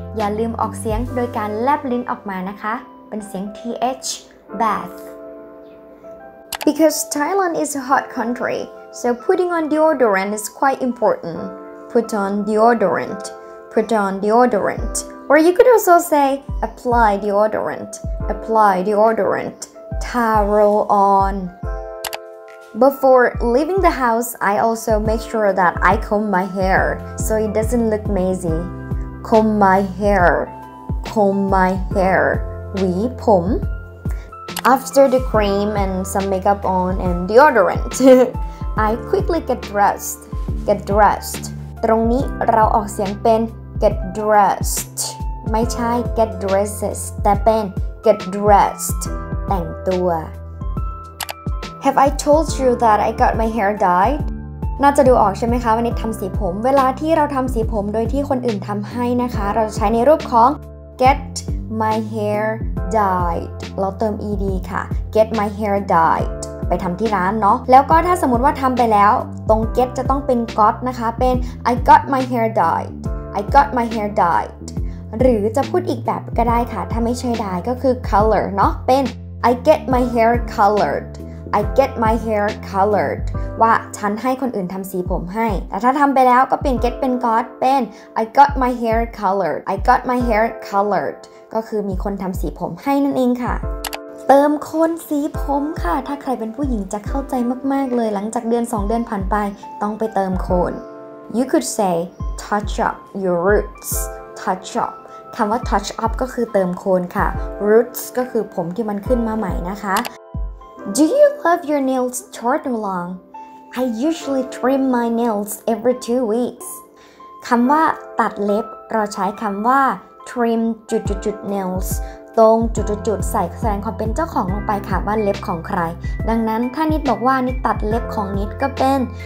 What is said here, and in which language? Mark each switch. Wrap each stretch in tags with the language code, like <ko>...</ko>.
<th>อย่าลืมออกเสียงโดยการแลบลิ้นออกมานะคะเป็นเสียง th bath</th> <en>because Thailand is a hot country so putting on deodorant is quite important put on deodorant put on deodorant or you could also say apply deodorant apply deodorant towel on before leaving the house I also make sure that I comb my hair so it doesn't look messyComb my hair. Comb my hair. Hui pom. After the cream and some makeup on and deodorant, I quickly get dressed. Get dressed.</en> <th>ตรงนี้เราออกเสียงเป็น get dressed. ไม่ใช่</th> <en>get dresses.</en> <th>แต่เป็น</th> <en>get dressed.</en> <th>แต่งตัว</th> <en>Have I told you that I got my hair dyed?</en> <th>น่าจะดูออกใช่ไหมคะวันนี้ทำสีผมเวลาที่เราทำสีผมโดยที่คนอื่นทำให้นะคะเราจะใช้ในรูปของ</th> <en>get my hair dyed</en> <th>เราเติม ed ค่ะ get my hair dyed ไปทำที่ร้านเนาะแล้วก็ถ้าสมมติว่าทำไปแล้วตรง get จะต้องเป็น got นะคะเป็น</th> <en>I got my hair dyed</en> <th>I got my hair dyed หรือจะพูดอีกแบบก็ได้ค่ะถ้าไม่ใช่ dye ก็คือ color เนาะเป็น</th> <en>I get my hair coloredI get my hair colored</en> <th>ว่าฉันให้คนอื่นทำสีผมให้แต่ถ้าทำไปแล้วก็เปลี่ยน get เป็น got เป็น</th> <en>I got my hair colored</en> <th>I got my hair colored ก็คือมีคนทำสีผมให้นั่นเองค่ะเติมคนสีผมค่ะถ้าใครเป็นผู้หญิงจะเข้าใจมากๆเลยหลังจากเดือน2เดือนผ่านไปต้องไปเติมคน</th> <en>You could say touch up your roots touch up</en> <th>คำว่า touch up ก็คือเติมโคนค่ะ roots ก็คือผมที่มันขึ้นมาใหม่นะคะ</th> <en>Do you love your nails short or long? I usually trim my nails every 2 weeks.</en> <th>คำว่าตัดเล็บเราใช้คำว่า trim จุดๆ nails ตรงจุดๆใส่แสดงความเป็นเจ้าของลงไปค่ะว่าเล็บของใครดังนั้นถ้านิดบอกว่านิดตัดเล็บของนิดก็เป็น</th>